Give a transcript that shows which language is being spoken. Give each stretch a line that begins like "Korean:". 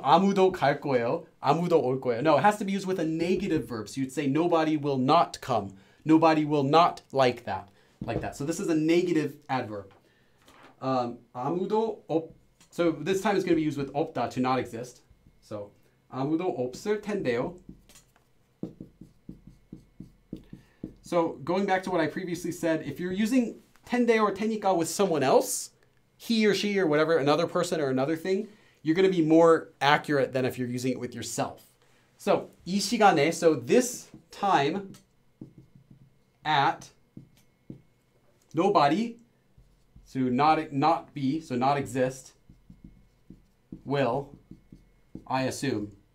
Korean: 아무도 갈 거예요. 아무도 올 거예요.
English: No, it has to be used with a negative verb. So you'd say nobody will not come. Nobody will not like that. Like that. So this is a negative adverb.
Korean: 아무도 없.
English: So this time it's going to be used with 없다, to not exist.
Korean: So 아무도 없을 텐데요.
English: So going back to what I previously said, if you're using 텐데 or 테니까 with someone else, he or she or whatever, another person or another thing, you're going to be more accurate than if you're using it with yourself. So
Korean: 이 시간에,
English: so this time at nobody, so not be, so not exist, will, I assume.